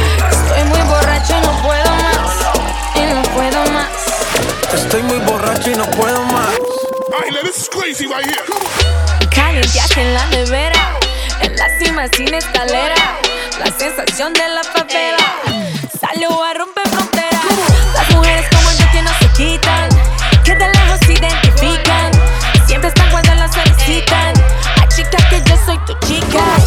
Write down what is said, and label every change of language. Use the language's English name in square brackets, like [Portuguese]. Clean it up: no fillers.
[Spanish] Estoy muy borracho y no puedo más. Y no puedo más. Estoy muy borracho y no puedo más. [English] Ay, this is crazy right here. [Spanish] Calientas en la nevera, en la cima sin escalera. La sensación de la favela, salió a romper fronteras. Las mujeres como yo que no se quitan, que de lejos se identifican. Siempre están cuando las solicitan. Ay, chica, que yo soy tu chica.